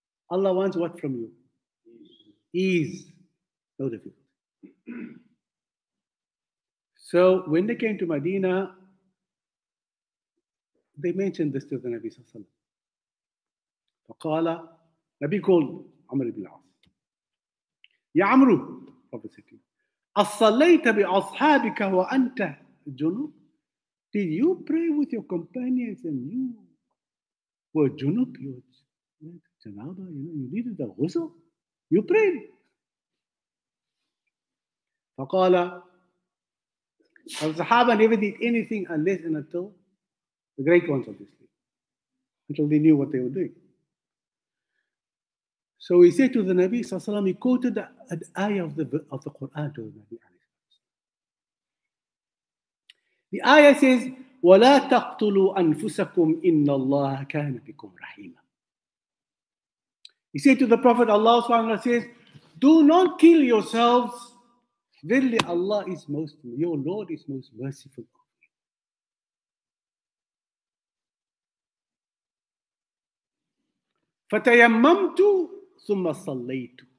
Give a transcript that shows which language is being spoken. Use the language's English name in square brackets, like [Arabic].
[English] Allah wants what from you? Ease. No difficulty. So when they came to Medina, they mentioned this to the Nabi Sallallahu Alaihi Wasallam. [Arabic] فَقَالَ [English] Nabi called Amr ibn al-As. [Arabic] يَا عَمْرُ [English] Prophet said to him, [Arabic] أَصَّلَّيْتَ بِأَصْحَابِكَ وَأَنْتَ جُنُوب. [English] Did you pray with your companions and you were junub? You needed the ghusl? You prayed? [Arabic] فَقَالَ [English] Our Sahaba never did anything unless and until the great ones, obviously, until they knew what they were doing. So he said to the Nabi, وسلم, he quoted an ayah of the Quran to the Nabi. The ayah says, [Arabic] وَلَا تَقْتُلُوا أَنفُسَكُمْ إِنَّ اللَّهَ كَانَ بِكُمْ رَحِيمًا. [English] He said to the Prophet, Allah says, do not kill yourselves. Verily Allah is most, your Lord is most merciful. [Arabic] فَتَيَمَّمْتُ ثُمَّ صَلَّيْتُ.